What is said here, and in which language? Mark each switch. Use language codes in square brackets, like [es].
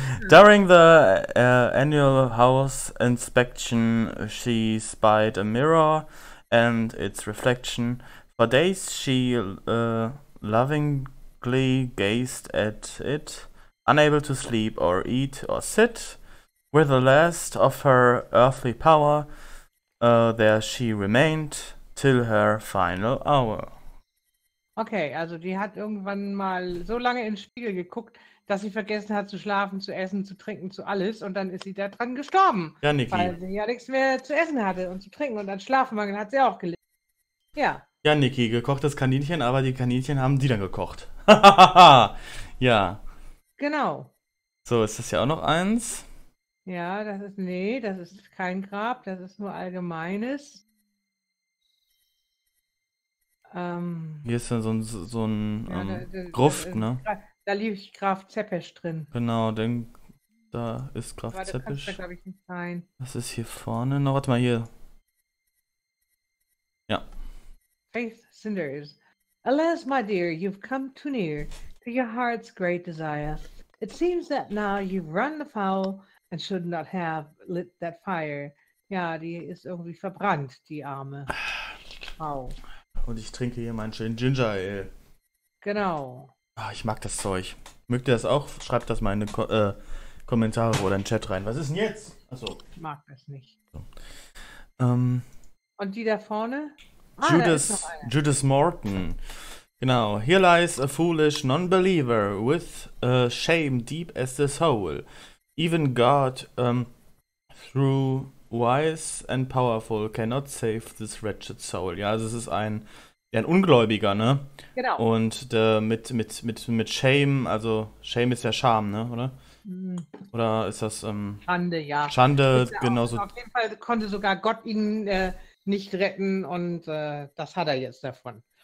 [en] During the annual house inspection, she spied a mirror and its reflection. For days she loving blankly gazed at it, unable to sleep or eat or sit. With the last of her earthly power, there she remained till her final hour. [de] Okay, also die hat irgendwann mal so lange ins Spiegel geguckt, dass sie vergessen hat zu schlafen, zu essen, zu trinken, zu alles. Und dann ist sie da dran gestorben. Ja, Niki. Weil sie ja nichts mehr zu essen hatte und zu trinken. Und dann Schlafmangel hat sie auch gelitten. Ja. Ja, Niki, gekochtes Kaninchen, aber die Kaninchen haben die dann gekocht. Ja. Genau. So, ist das ja auch noch eins? Ja, das ist, nee, das ist kein Grab, das ist nur Allgemeines. Hier ist dann so ein ja, da, Gruft, ne? Da lief ich Graf Zeppisch drin. Genau, denn da ist Graf warte, Zeppisch. Da, ich, nicht rein. Was ist hier vorne? Na, warte mal, hier. Ja. [en] Faith Cinders. Alas, my dear, you've come too near to your heart's great desire. It seems that now you've run the foul and should not have lit that fire. [de] Ja, die ist irgendwie verbrannt, die arme Frau. Und ich trinke hier meinen schönen Ginger Ale. Genau. Ach, ich mag das Zeug. Mögt ihr das auch? Schreibt das mal in die Kommentare oder in den Chat rein. Was ist denn jetzt? Achso. Ich mag das nicht. So. Und die da vorne? Judas Morton. Genau. [en] Here lies a foolish non-believer with a shame deep as the soul. Even God, through wise and powerful, cannot save this wretched soul. [de] Ja, also es ist ein Ungläubiger, ne? Genau. Und mit Shame, also Shame ist ja Scham, ne, oder? Mhm. Oder ist das, Schande, ja. Schande, genauso. Auf jeden Fall konnte sogar Gott ihn nicht retten und das hat er jetzt davon.